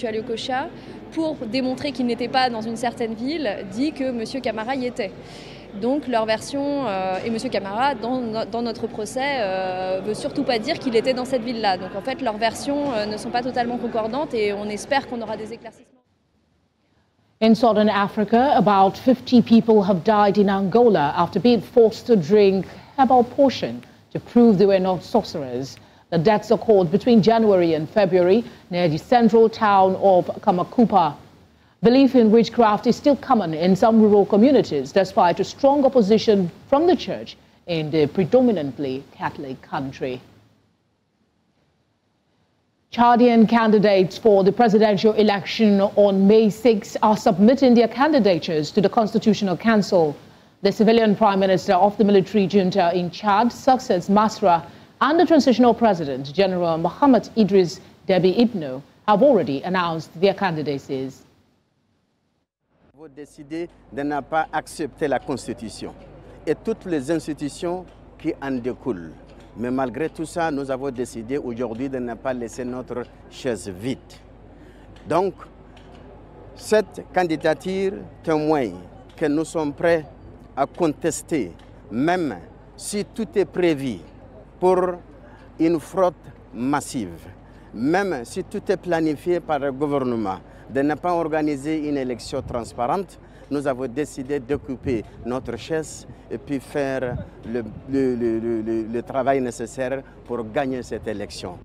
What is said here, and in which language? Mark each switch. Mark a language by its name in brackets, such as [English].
[French] Alyokosha, pour démontrer qu'il n'était pas dans une certaine ville, dit que M. Camara y était. Donc leur version, et M. Camara, dans notre procès, veut surtout pas dire qu'il était dans cette ville-là. Donc en fait, leurs versions ne sont pas totalement concordantes et on espère qu'on aura des éclaircissements. [English] In Southern Africa, about 50 people have died in Angola after being forced to drink herbal potion to prove they were not sorcerers. The deaths occurred between January and February near the central town of Kamakupa. Belief in witchcraft is still common in some rural communities, despite a strong opposition from the church in the predominantly Catholic country. Chadian candidates for the presidential election on May 6 are submitting their candidatures to the Constitutional Council. The civilian prime minister of the military junta in Chad, Success Masra, and the transitional president, General Mohamed Idriss Deby Itno, have already announced their candidacies. [French] Vous décidez de ne pas accepter la Constitution et toutes les institutions qui en découlent. Mais malgré tout ça, nous avons décidé aujourd'hui de ne pas laisser notre chaise vide. Donc, cette candidature témoigne que nous sommes prêts à contester, même si tout est prévu pour une fraude massive, même si tout est planifié par le gouvernement, de ne pas organiser une élection transparente, nous avons décidé d'occuper notre chaise et puis faire le travail nécessaire pour gagner cette élection.